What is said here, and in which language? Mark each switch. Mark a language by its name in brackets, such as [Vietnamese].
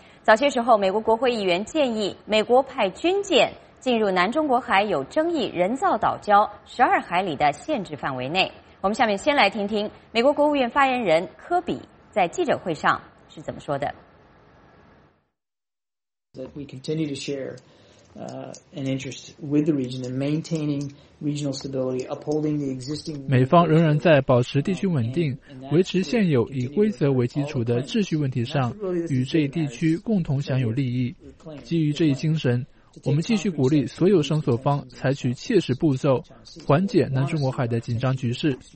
[Chinese] 早些时候，美国国会议员建议美国派军舰进入南中国海有争议人造岛礁12海里的限制范围内。我们下面先来听听美国国务院发言人科比在记者会上是怎么说的。 [English] That we continue to share an interest with the region in maintaining regional stability, upholding the existing. [Chinese] 美方仍然在保持地区稳定、维持现有以规则为基础的秩序问题上，与这一地区共同享有利益。基于这一精神，我们继续鼓励所有声索方采取切实步骤，缓解南中国海的紧张局势。